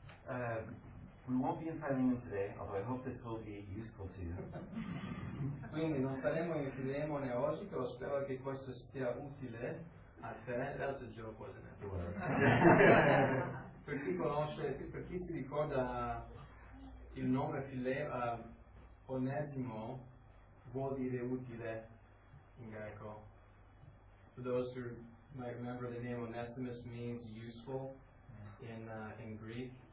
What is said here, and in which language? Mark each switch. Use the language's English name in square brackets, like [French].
[English] Amen. So, we won't be in Philemon today, although I hope this will be useful to you. [Italian] Quindi non staremo in Filemone oggi, però spero che questo sia utile. [English] That's a joke, wasn't it? [Italian] Per chi conosce, per chi si ricorda il nome Filemone, Onesimo vuol dire utile in greco. [English] For those who might remember, the name Onesimus means useful in Greek.